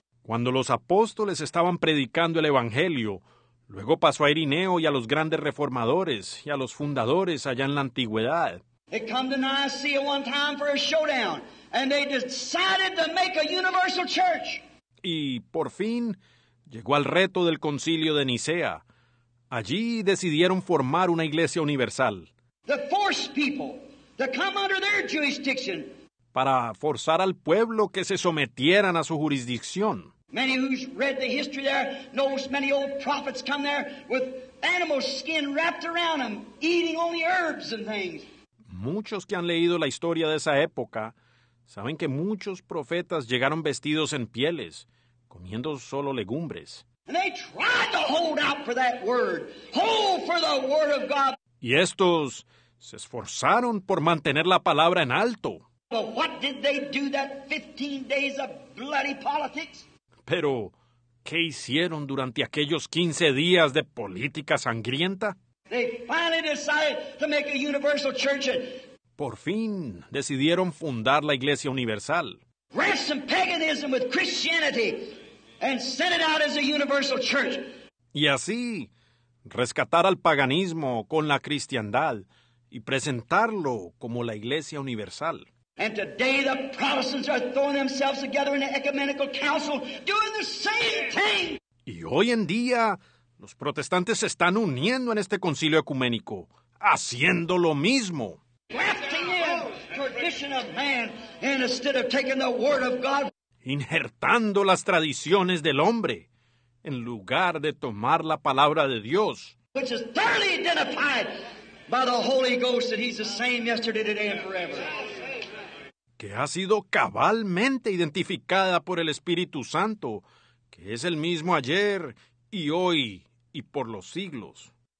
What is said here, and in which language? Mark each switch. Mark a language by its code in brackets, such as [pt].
[es] Cuando los apóstoles estaban predicando el evangelio, luego pasó a Irineo y a los grandes reformadores y a los fundadores allá en la antigüedad. [en] They come to Nicaea one time for a showdown, and they decided to make a universal church. [es] Y, por fin, llegó al reto del concilio de Nicea. Allí decidieron formar una iglesia universal. [en] The forced people to come under their jurisdiction. [es] Para forzar al pueblo que se sometieran a su jurisdicción. [en] Many who's read the history there knows many old prophets come there with animal skin wrapped around them, eating only herbs and things. [es] Muchos que han leído la historia de esa época Saben que muchos profetas llegaron vestidos en pieles, comiendo solo legumbres. [en] And they tried to hold out for that word, hold for the word of God. [es] Y estos se esforzaron por mantener la palabra en alto. [en] But what did they do that 15 days of bloody politics? [es] Pero, ¿qué hicieron durante aquellos 15 días de política sangrienta? [en] They finally decided to make a universal church. [es] Por fin, decidieron fundar la Iglesia Universal. [en] Wrap some paganism with Christianity and send it out as a universal church. [es] Y así, rescatar al paganismo con la cristiandad y presentarlo como la Iglesia Universal. [en] And today the Protestants are throwing themselves together in an ecumenical council doing the same thing. [es] Y hoy en día, los protestantes se están uniendo en este concilio ecuménico, haciendo lo mismo. [en] Grafting in tradition of man instead of taking the word of God. [es] Injertando las tradiciones del hombre, en lugar de tomar la palabra de Dios. [en] Which is thoroughly identified by the Holy Ghost that he's the same yesterday, today, and forever. [es] Que ha sido cabalmente identificada por el Espíritu Santo, que es el mismo ayer y hoy y por los siglos.